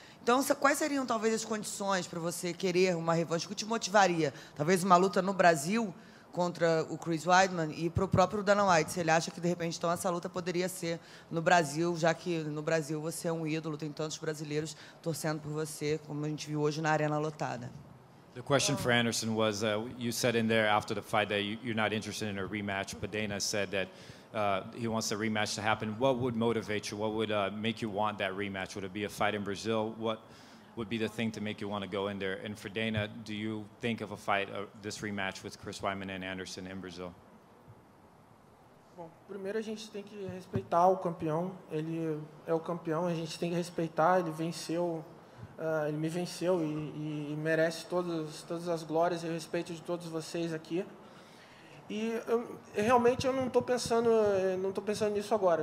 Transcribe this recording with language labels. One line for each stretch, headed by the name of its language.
Portuguese: Então, quais seriam talvez as condições para você querer uma revanche? O que te motivaria? Talvez uma luta no Brasil contra o Chris Weidman e para o próprio Dana White. Se ele acha que, de repente, então, essa luta poderia ser no Brasil, já que no Brasil você é um ídolo, tem tantos brasileiros torcendo por você, como a gente viu hoje na arena lotada.
English: The question for Anderson was, you said in there after the fight that you're not interested in a rematch, but Dana said that he wants the rematch to happen. What would motivate you? What would make you want that rematch? Would it be a fight in Brazil? What would be the thing to make you want to go in there? And for Dana, do you think of a fight, this rematch with Chris Weidman and Anderson in Brazil?
Portuguese: Bom, primeiro a gente tem que respeitar o campeão. Ele é o campeão, a gente tem que respeitar. Ele venceu, ele me venceu e merece todas as glórias e respeito de todos vocês aqui. E eu realmente não estou pensando nisso agora.